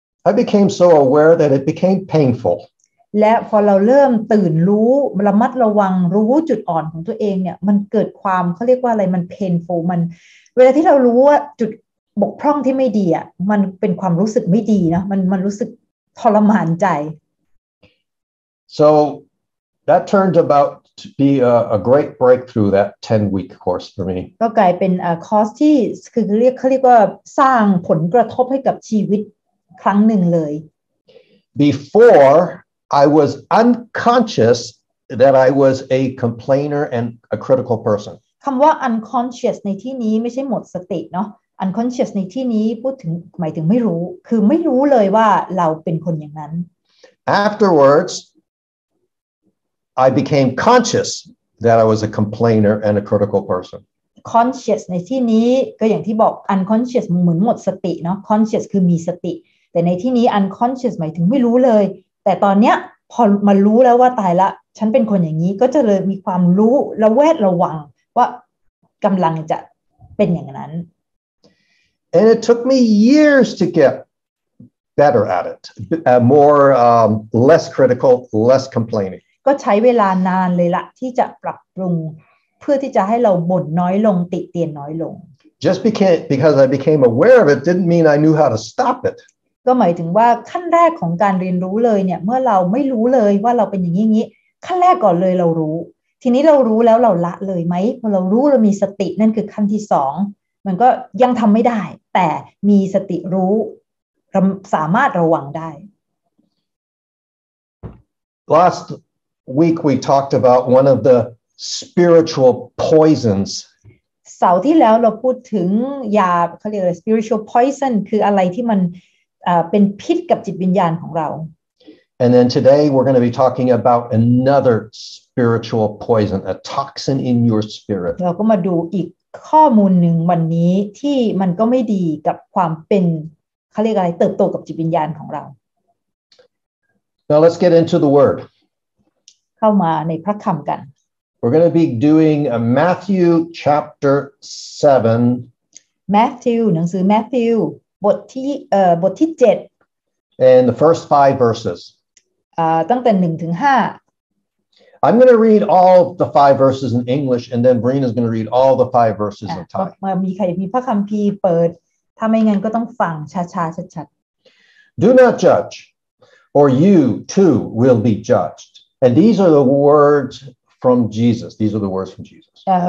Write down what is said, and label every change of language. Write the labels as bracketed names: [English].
[English] I became so aware that it became painful. [Thai] และพอเราเริ่มตื่นรู้ระมัดระวังรู้จุดอ่อนของตัวเองเนี่ยมันเกิดความเขาเรียกว่าอะไรมัน painful มันเวลาที่เรารู้ว่าจุดบกพร่องที่ไม่ดีอ่ะมันเป็นความรู้สึกไม่ดีนะมันรู้สึกทรมานใจ [English] So that turned about to be a great breakthrough that 10 week course for me. [Thai] ก็กลายเป็นคอร์สที่เขาเรียกว่าสร้างผลกระทบให้กับชีวิตครั้งหนึ่งเลย [English] Before I was unconscious that I was a complainer and a critical person [Thai] คำว่า unconscious ในที่นี้ไม่ใช่หมดสติเนาะ unconscious ในที่นี้พูดถึงหมายถึงไม่รู้คือไม่รู้เลยว่าเราเป็นคนอย่างนั้น [English] Afterwards I became conscious that I was a complainer and a critical person [Thai] conscious ในที่นี้ก็อย่างที่บอก unconscious เหมือนหมดสติเนาะ conscious คือมีสติแต่ในที่นี้ unconscious หมายถึงไม่รู้เลยแต่ตอนเนี้ยพอมารู้แล้วว่าตายละฉันเป็นคนอย่างนี้ก็จะเลยมีความรู้ระแวดระวังว่ากำลังจะเป็นอย่างนั้น [English] and it took me years to get better at it more less critical less complaining [Thai] ก็ใช้เวลานานเลยละที่จะปรับปรุงเพื่อที่จะให้เราบ่นน้อยลงติเตียนน้อยลง [English] Just because I became aware of it didn't mean I knew how to stop it [Thai] ก็หมายถึงว่าขั้นแรกของการเรียนรู้เลยเนี่ยเมื่อเราไม่รู้เลยว่าเราเป็นอย่างงี้ขั้นแรกก่อนเลยเรารู้ทีนี้เรารู้แล้วเราละเลยไหมพอเรารู้เรามีสตินั่นคือขั้นที่สองมันก็ยังทำไม่ได้แต่มีสติรู้สามารถระวังได้ [English] Last week we talked about one of theSpiritual poisons. [Thai] เสาร์ที่แล้วเราพูดถึงยาเขาเรียกว่า spiritual poison คืออะไรที่มันเป็นพิษกับจิตวิญญาณของเรา [English] And then today we're going to be talking about another spiritual poison, a toxin in your spirit. [Thai] เราก็มาดูอีกข้อมูลหนึ่งวันนี้ที่มันก็ไม่ดีกับความเป็นเขาเรียกอะไรเติบโตกับจิตวิญญาณของเรา [English] Now let's get into the word. [Thai] เข้ามาในพระคำกัน [English] We're going to be doing a Matthew chapter 7. [Thai] Matthew, หนังสือ Matthew, บทที่ 7. [English] And the first 5 verses. [Thai] ตั้งแต่1ถึง5. [English] I'm going to read all the 5 verses in English, and then Brina's going to read all the 5 verses in Thai. [Thai] มามีใครมีพระคัมภีร์เปิดถ้าไม่งั้นก็ต้องฟังช้าชัด [English] ๆ Do not judge, or you too will be judged. And these are the words... from Jesus. These are the words from Jesus.